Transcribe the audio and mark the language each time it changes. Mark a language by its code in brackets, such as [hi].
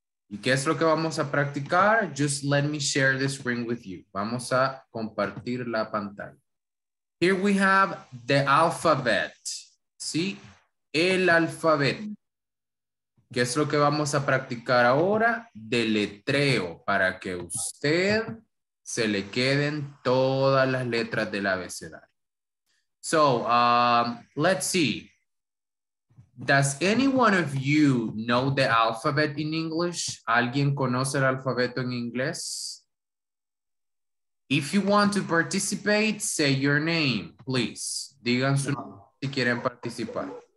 [es] ¿Y qué es lo que vamos a practicar? [en] Just let me share the screen with you. [es] Vamos a compartir la pantalla. [en] Here we have the alphabet. [es] ¿Sí? El alfabeto. ¿Qué es lo que vamos a practicar ahora? Deletreo, para que usted se le queden todas las letras del abecedario. [en] So, let's see. Does any one of you know the alphabet in English? [es] ¿Alguien conoce el alfabeto en inglés? [en] If you want to participate, say your name, please. [es] Digan su nombre si quieren participar.